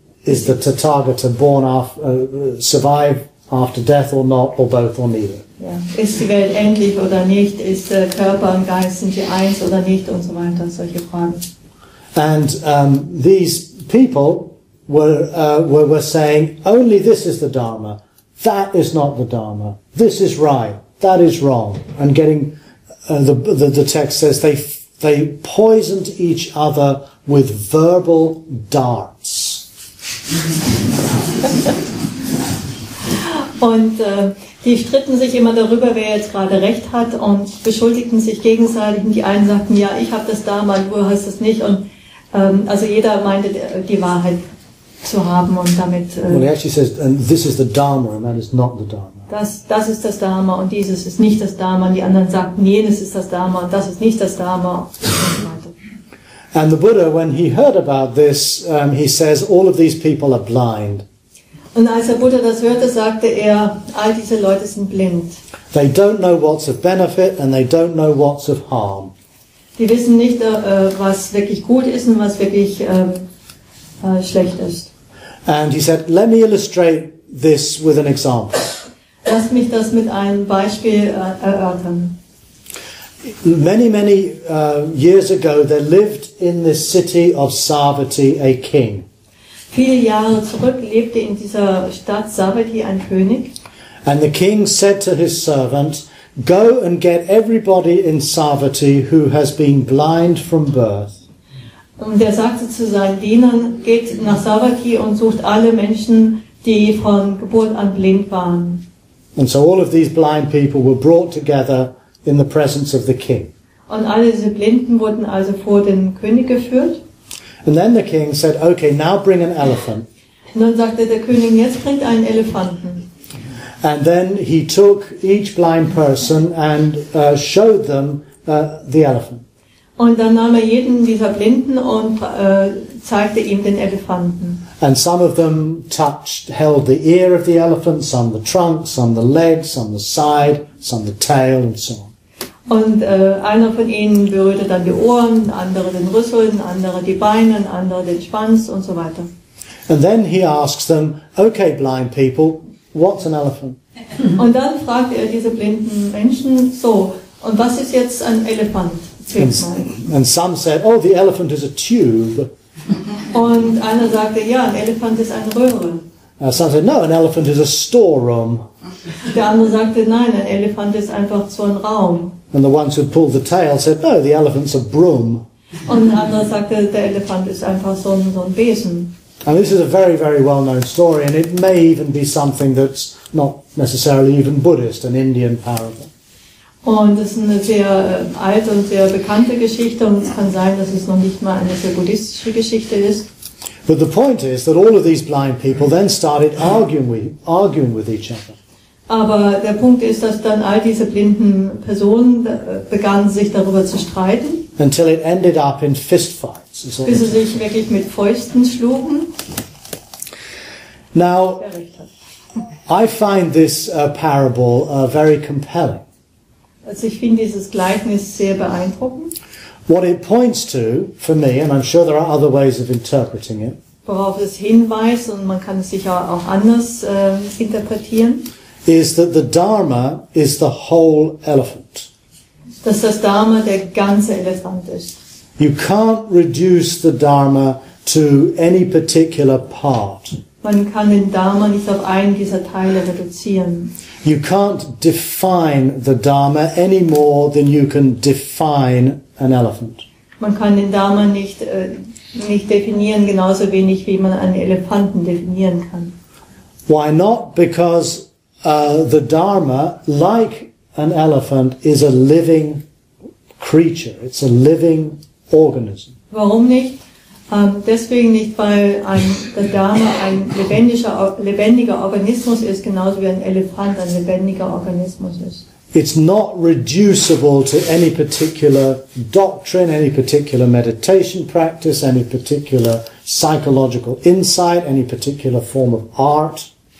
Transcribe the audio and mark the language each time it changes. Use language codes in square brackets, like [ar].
[en] Is the Tathagata born survive after death or not, or both or neither? [de] Ja. Ist die Welt endlich oder nicht? Ist Körper und Geist, sind sie eins oder nicht? Und so weiter, solche Fragen. [en] And these people were saying, only this is the Dharma, that is not the Dharma, this is right, that is wrong. And getting, the text says, they poisoned each other with verbal darts. [de] Und die stritten sich immer darüber, wer jetzt gerade recht hat, und beschuldigten sich gegenseitig. Und die einen sagten, ja, ich habe das Dharma, du hast das nicht. Und also jeder meinte die Wahrheit zu haben und damit. [en] Well, he actually says, and this is the Dharma, and that is not the Dharma. [de] Das ist das Dharma und dieses ist nicht das Dharma. Und die anderen sagten, jenes ist das Dharma und das ist nicht das Dharma. [en] And the Buddha, when he heard about this, he says, all of these people are blind. [de] Und als der Buddha das hörte, sagte er, all diese Leute sind blind. [en] They don't know what's of benefit and they don't know what's of harm. [de] Die wissen nicht, was wirklich gut ist und was wirklich schlecht ist. [en] And he said, let me illustrate this with an example. [de] Lass mich das mit einem Beispiel erörtern. [en] Many, many years ago, there lived in the city of Savatthi a king. [de] Viele Jahre zurück lebte in dieser Stadt Savatthi ein König. [en] And the king said to his servant, go and get everybody in Savatthi who has been blind from birth. [de] Und er sagte zu seinen Dienern, geht nach Savatthi und sucht alle Menschen, die von Geburt an blind waren. [en] And so all of these blind people were brought together in the presence of the king. [de] Und alle diese Blinden wurden also vor den König geführt. [en] And then the king said, okay, now bring an elephant. [de] Und dann sagte der König, jetzt bringt einen Elefanten. [en] And then he took each blind person and showed them the elephant. [de] Und dann nahm er jeden dieser Blinden und zeigte ihm den Elefanten. [en] And some of them held the ear of the elephant, some the trunk, some the legs, some the side, some the tail, and so on. [de] Und einer von ihnen berührte dann die Ohren, andere den Rüssel, andere die Beine, andere den Schwanz und so weiter. [en] And then he asks them, okay, blind people, what's an elephant? [de] Und dann fragt er diese blinden Menschen, so, und was ist jetzt ein Elefant? [en] And some said, oh, the elephant is a tube. [de] Und einer sagte, ja, ein Elefant ist eine Röhre. [en] Some said, no, an elephant is a storeroom. [de] Der andere sagte, nein, ein Elefant ist einfach so ein Raum. [en] And the ones who pulled the tail said, no, the elephant's a broom. [de] Und der andere sagte, der Elefant ist einfach so ein Besen. [en] And this is a very, very well-known story, and it may even be something that's not necessarily even Buddhist, an Indian parable. [de] Und es ist eine sehr alte und sehr bekannte Geschichte, und es kann sein, dass es noch nicht mal eine sehr buddhistische Geschichte ist. [en] But the point is that all of these blind people then started arguing with each other. [de] Aber der Punkt ist, dass dann all diese blinden Personen begannen, sich darüber zu streiten. [en] Until it ended up in fistfights. [de] Bis sie sich wirklich mit Fäusten schlugen. [en] Now, I find this parable very compelling. [de] Also ich finde dieses Gleichnis sehr beeindruckend. [en] What it points to, for me, and I'm sure there are other ways of interpreting it. [de] Worauf es hinweist, und man kann es sicher auch anders interpretieren. [en] Is that the Dharma is the whole elephant. [de] Dass das Dharma der ganze Elefant ist. [en] You can't reduce the Dharma to any particular part. [de] Man kann den Dharma nicht auf einen dieser Teile reduzieren. [en] You can't define the Dharma any more than you can define an elephant. [de] Man kann den Dharma nicht definieren, genauso wenig wie man einen Elefanten definieren kann. [en] Why not? Because the Dharma, like an elephant, is a living creature. It's a living organism. [de] Warum nicht? Deswegen nicht, weil der Dharma ein lebendiger Organismus ist, genauso wie ein Elefant ein lebendiger Organismus ist. [en] It's not reducible to any particular doctrine, any particular meditation practice, any particular psychological insight, any particular form of art.